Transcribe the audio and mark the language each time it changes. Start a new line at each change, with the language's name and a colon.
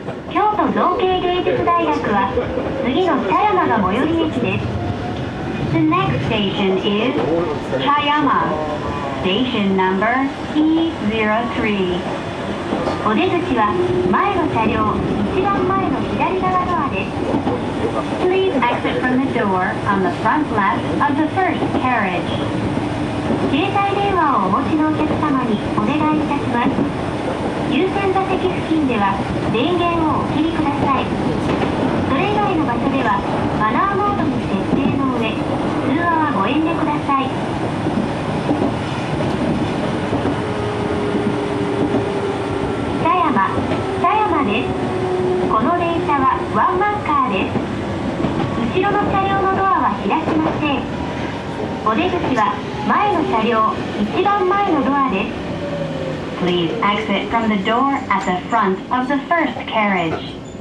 Japanese: 京都造形芸術大学は次の茶山が最寄り駅です。
English: The next station is 茶山。Station number E03。
Japanese: お出口は前の車両一番前の左側ドアです。
English: Please exit from the door on the front left of the first carriage.
Japanese: 携帯電話をお持ちのお客様にお願いいたします。優先座席付近では電源をお切りください。それ以外の場所ではマナーモードに設定の上、通話はご遠慮ください。茶山、茶山です。この電車はワンマンカーです。後ろの車両のドアは開きません。お出口は前の車両、一番前のドアです。
English: Please exit from the door at the front of the first carriage.